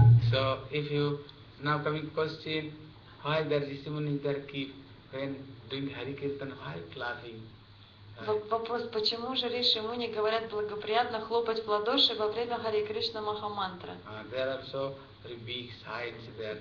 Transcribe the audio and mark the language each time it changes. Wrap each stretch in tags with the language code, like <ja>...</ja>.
<en>So if you now coming question, why the Rishi Muni there keep when doing Hari Kirtan, why clapping?</en> <ru>Вопрос, почему же Риши Муни говорят благоприятно хлопать в ладоши во время Хари Кришна Махамантра?</ru> <en>There are so very big signs there.</en>